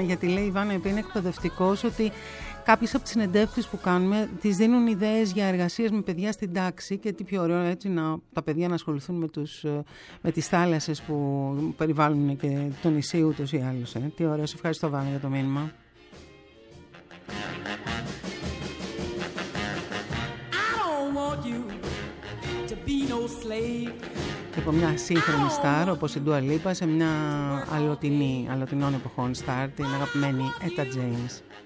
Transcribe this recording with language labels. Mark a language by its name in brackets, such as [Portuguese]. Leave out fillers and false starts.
[Greek] Γιατί λέει η Βάνα, είναι εκπαιδευτικό ότι κάποιες από τις συνεντεύξεις που κάνουμε τις δίνουν ιδέες για εργασίες με παιδιά στην τάξη. Και τι πιο ωραίο έτσι να τα παιδιά να ασχοληθούν με τις θάλασσες που περιβάλλουν και το νησί ούτως ή άλλως. Τι ωραία, σε ευχαριστώ, Βάνα, για το μήνυμα. [English] I don't want you to be no slave. [Greek] Από μια σύγχρονη στάρ όπως η Ντούα Λίπα σε μια αλλοτινή, αλλοτινών εποχών στάρ, την αγαπημένη Έτα Τζέιμς.